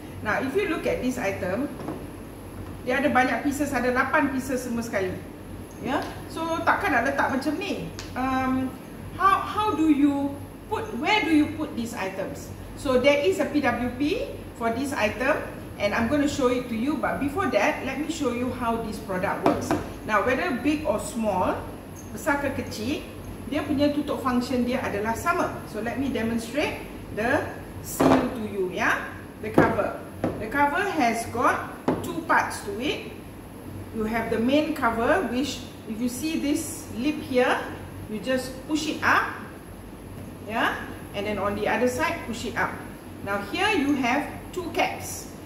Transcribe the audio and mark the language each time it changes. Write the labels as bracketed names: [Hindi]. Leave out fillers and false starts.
[English] Now if you look at this item, [Malay] dia ada banyak pieces, ada 8 pieces semua sekali. [English] Yeah, so [Malay] takkan nak letak macam ni. [English] How do you put, where do you put these items? So there is a PWP for this item and I'm going to show it to you, but before that let me show you how this product works. Now whether big or small, [Malay] besar ke kecil, dia punya tutup function dia adalah sama. [English] So let me demonstrate the seal to you. Yeah, the cover. The cover has got 2 parts to it. You have the main cover, which if you see this lip here, you just push it up. Yeah, and then on the other side push it up. Now here you have 2 caps.